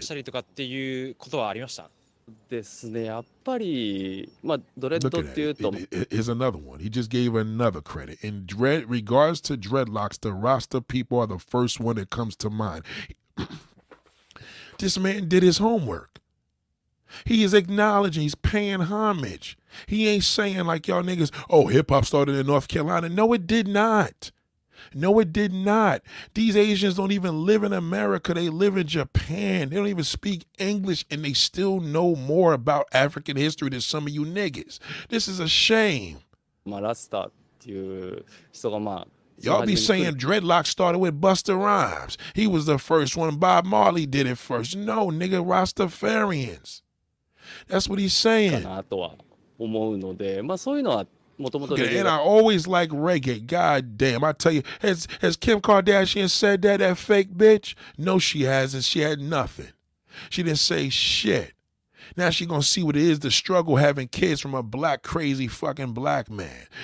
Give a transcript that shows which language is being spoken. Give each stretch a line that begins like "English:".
Japanese: したりとかっていうことはありました。ですね。やっぱり、まあドレッドっていうと、
English: here's another one. He just gave another credit. In dread, regards to dreadlocks, the Rasta people are the first one that comes to mind. This man did his homework. He is acknowledging. He's paying homage. He ain't saying like y'all niggas. Oh, hip hop started in North Carolina. No, it did not. No, it did not. These Asians don't even live in America. They live in Japan. They don't even speak English, and they still know more about African history than some of you niggas. This is a shame. Y'all be saying dreadlocks started with Busta Rhymes. He was the first one. Bob Marley did it first. No, nigga, Rastafarians. That's what he's saying.
Japanese: かなとは思うので、まあそういうのは
English: And I always like reggae. God damn. I tell you, has Kim Kardashian said that fake bitch? No, she hasn't. She had nothing. She didn't say shit. Now she gonna see what it is, the struggle having kids from a black, crazy fucking black man.